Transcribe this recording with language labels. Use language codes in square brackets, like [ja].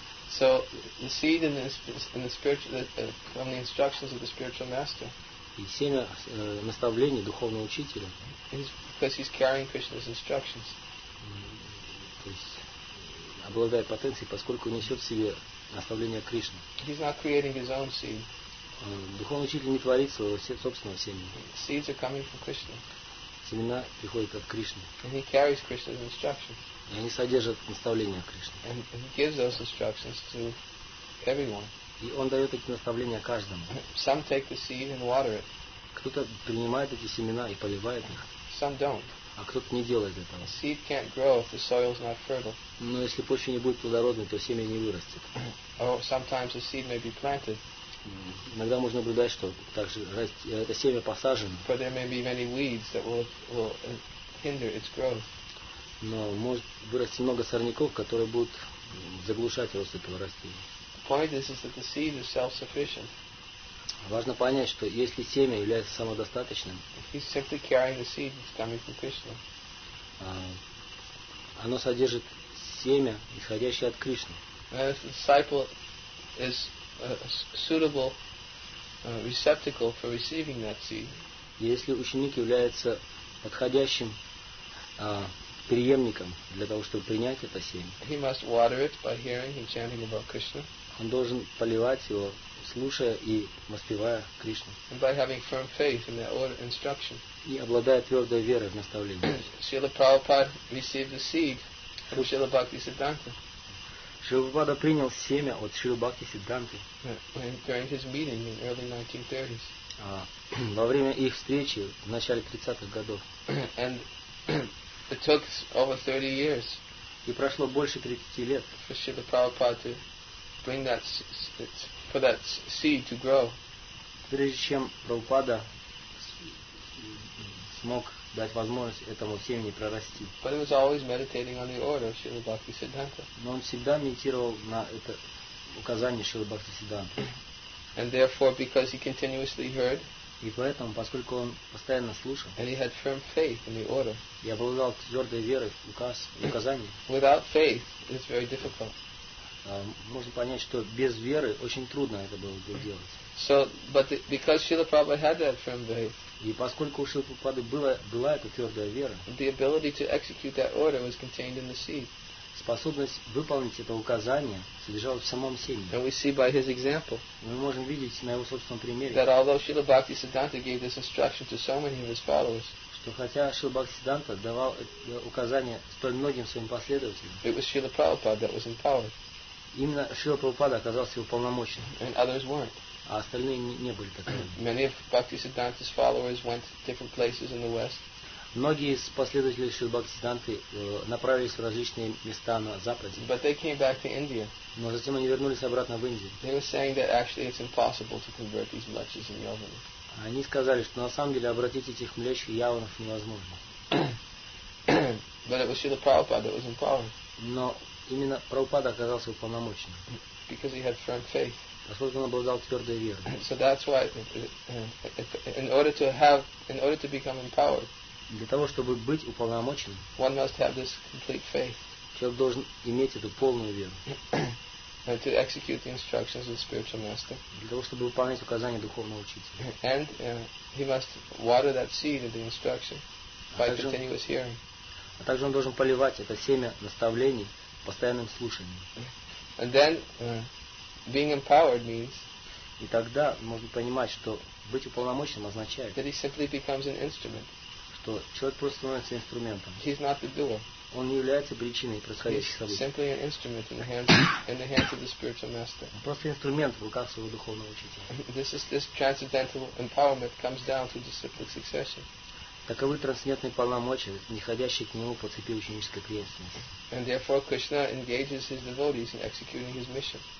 [en] So the seed in the spiritual from the instructions of the spiritual master. [ru] И семя наставлений духовного учителя. [en] Because he's carrying Krishna's instructions. [ru] То есть обладает потенцией, поскольку несет в себе наставления Кришны. [en] He's not creating his own seed. [ru] Духовный учитель не творит своего собственного семени. [en] Seeds are coming from Krishna. [ru] Семена приходят от Кришны. [en] And he carries Krishna's instructions. [ru] И они содержат наставления Кришны. [en] And he gives those instructions to everyone. [ru] И он дает эти наставления каждому. [en] Some take the seed and water it. [ru] Кто-то принимает эти семена и поливает их. [en] Some don't. [ru] А кто-то не делает этого. [en] The seed can't grow if the soil is not fertile. [ru] Но если почва не будет плодородной, то семя не вырастет. [en] Or sometimes the seed may be planted. [ru] Иногда можно наблюдать, что также это семя посажено. [en] But there may be many weeds that will hinder its growth. [ru] Но может вырасти много сорняков, которые будут заглушать рост этого растения. [en] The point is that the seed is self-sufficient. [ru] Важно понять, что если семя является самодостаточным, [en] he's simply carrying the seed that's coming from Krishna. [ru] Оно содержит семя, исходящее от Кришны. [en] And if the disciple is suitable receptacle for receiving that seed. [ru] Если ученик является подходящим преемником для того, чтобы принять это семя. [en] He must water it by hearing and chanting about Krishna. [ru] Он должен поливать его, слушая и воспевая Кришну. [en] And by having firm faith in that order instruction. [ru] И обладая твердой верой в наставление. [en] Srila Prabhupada received the seed from Srila Bhakti Siddhanta. [ru] Srila Prabhupada принял семя от Srila Bhakti Siddhanta. [en] During his meeting in early 1930s. [ru] Во время их встречи в начале 30-х годов. [en] And it took over 30 years. [ru] И прошло больше 30 лет. [en] For Srila Prabhupada to bring that for that seed to grow. [ru] Прежде чем Прабхупада смог дать возможность этому семени прорасти. [en] But he was always meditating on the order of Srila Bhakti Siddhanta. [ru] Но он всегда медитировал на это указание Шрилы Бхакти Сиддханты. [en] And therefore, because he continuously heard. [ru] И поэтому, поскольку он постоянно слушал. [en] And he had firm faith in the order. [ru] И обладал твердой верой в указ, указание. [en] Without faith, it's very difficult. [ru] Можно понять, что без веры очень трудно это было бы делать. [en] So, but because Srila Prabhupada had that firm faith. [ru] И поскольку у Шрилы Прабхупады была эта твердая вера. [en] The ability to execute that order was contained in the seed. [ru] Способность выполнить это указание содержалась в самом семени. [en] And we see by his example. [ru] Мы можем видеть на его собственном примере. [en] That although Srila Bhakti Siddhanta gave this instruction to so many of his followers. [ru] Что хотя Шрила Бхакти Сиддханта давал указания столь многим своим последователям. [en] It was Srila Prabhupada that was empowered. [ru] Именно Шрила Прабхупада оказался уполномоченным. [en] And others weren't. [ru] А остальные не были такими. [en] Many of Bhakti Siddhanta's followers went to different places in the West. [ru] Многие из последователей Шрилы Бхакти Сиддханты направились в различные места на Западе. [en] But they came back to India. [ru] Но затем они вернулись обратно в Индию. [en] They were saying that actually it's impossible to convert these mlechas and yavanas. [ru] Они сказали, что на самом деле обратить этих млеч и яванов невозможно. [en] But it was Srila Prabhupada that was empowered. [ru] Но именно Прабхупада оказался уполномоченным. [en] Because he had firm faith. [ru] Поскольку он обладал твердой верой. [en] So that's why, in order to become empowered, [ru] для того чтобы быть уполномоченным, [en] one must have this complete faith. [ru] Человек должен иметь эту полную веру. [en] And to execute the instructions of the spiritual master. [ru] Для того чтобы выполнять указания духовного учителя. [en] And he must water that seed of the instruction by continuous hearing. [ru] А также он должен поливать это семя наставлений постоянным слушанием. [en] And then being empowered means. [ru] И тогда можно понимать, что быть уполномоченным означает. [en] That he simply becomes an instrument. [ru] Что человек просто становится инструментом. [en] He's not the doer. [ru] Он не является причиной происходящих [en] He's [ru] событий. [en] Simply an instrument in the hands of the spiritual master. [ru] Он просто инструмент в руках своего духовного учителя. [en] This transcendental empowerment comes down through the cyclic succession. [ru] Таковы трансцендентные полномочия, неходящие к нему по цепи ученической преемственности. [en] And therefore Krishna engages his devotees in executing his mission.